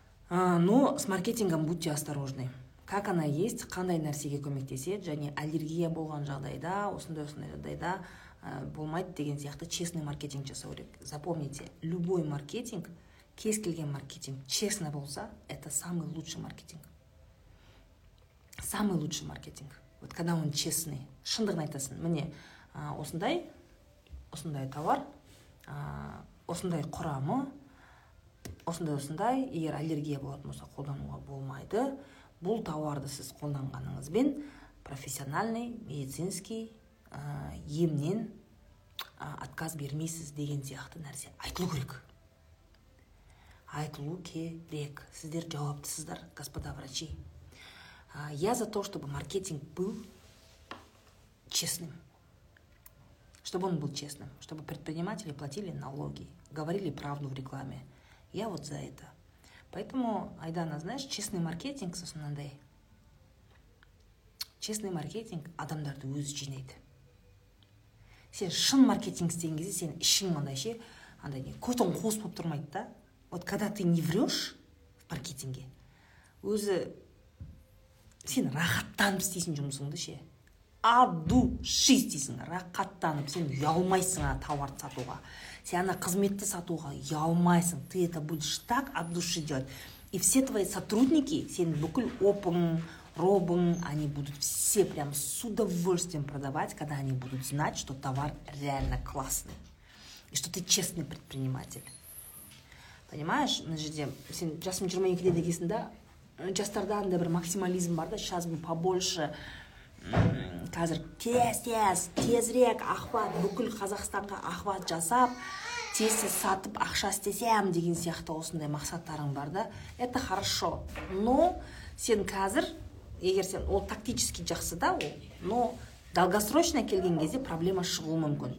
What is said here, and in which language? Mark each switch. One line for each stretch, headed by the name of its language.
Russian: Но с маркетингом будьте осторожны.
Kazakh: Как она есть, қандай нәрсеге көмектеседі, және аллергия болған жағдайда, осындай-осындай жағдайда болмайды деген сияқты
Russian: честный маркетинг
Kazakh: жасау керек.
Russian: Запомните, любой маркетинг,
Kazakh: кез келген маркетинг честно болса,
Russian: это самый лучший маркетинг. Самый лучший маркетинг. Вот когда он честный,
Kazakh: шындығын айтасың, міне, осындай, осындай товар, осындай құрамы, осындай осындай, егер аллергия болатын болса қолдануға болмайды. Бұл тауарды сіз қолданғаныңызбен
Russian: профессиональный медицинский
Kazakh: емнен отказ бермейсіз деген сияқты нәрсе айтылу керек. Айтылу керек. Сіздер жауаптысыздар,
Russian: господа врачи. Я за то, чтобы маркетинг был честным. Чтобы он был честным. Чтобы предприниматели платили налоги, говорили правду в рекламе. Я вот за это. Поэтому, Айдана, знаешь, честный маркетинг, сосынандай. Честный маркетинг
Kazakh: адамдарды өзі жинейді. Сен шын маркетинг істеген кезде, сен ішің мындай ше, андай не, көтін қос болып тұрмайды да.
Russian: Вот когда ты не врешь в маркетинге,
Kazakh: өзі сен рахаттанып істейсің жұмысыңды ше.
Russian: От души
Kazakh: істейсің, рахаттанып, сен ұялмайсың ана тауарды сатуға. Сен ана қызметті сатуға ұялмайсың.
Russian: Ты это будешь так от души делать. И все твои сотрудники,
Kazakh: сен бүкіл опың,
Russian: робом, они будут все прям с удовольствием продавать, когда они будут знать, что товар реально классный. И что ты честный предприниматель. Понимаешь? Мы же здесь,
Kazakh: сен жасым 22 дегесін, да? Жастардан да бір максимализм бар, да?
Russian: Сейчас бы побольше.
Kazakh: Қазір тез-тез, тезрек ахват, бүкіл Қазақстанға ахват жасап, тез-тез сатып, ақша істесем деген сияқты осындай мақсаттарың бар, да?
Russian: Это хорошо.
Kazakh: Но сен қазір, егер сен ол тактически жақсы да ол,
Russian: но долгосрочно
Kazakh: келген кезде проблема шығуы мүмкін.